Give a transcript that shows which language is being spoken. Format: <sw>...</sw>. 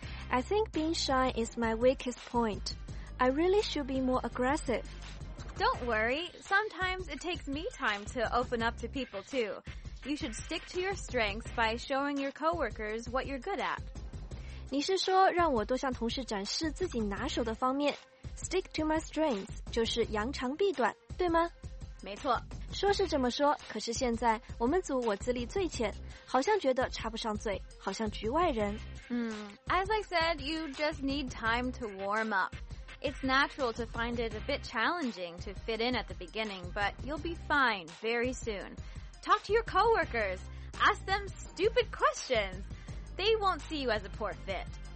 <en>I think being shy is my weakest point. I really should be more aggressive. Don't worry. Sometimes it takes me time to open up to people too. You should stick to your strengths by showing your coworkers what you're good at.</en> <zh>你是说让我多向同事展示自己拿手的方面？</zh> <en>Stick to my strengths</en> <zh>就是扬长避短，对吗？没错，说是这么说，可是现在我们组我资历最浅，好像觉得插不上嘴，好像局外人。</zh> <en>As I said, you just need time to warm up. It's natural to find it a bit challenging to fit in at the beginning, but you'll be fine very soon. Talk to your coworkers. Ask them stupid questions. They won't see you as a poor fit.</en>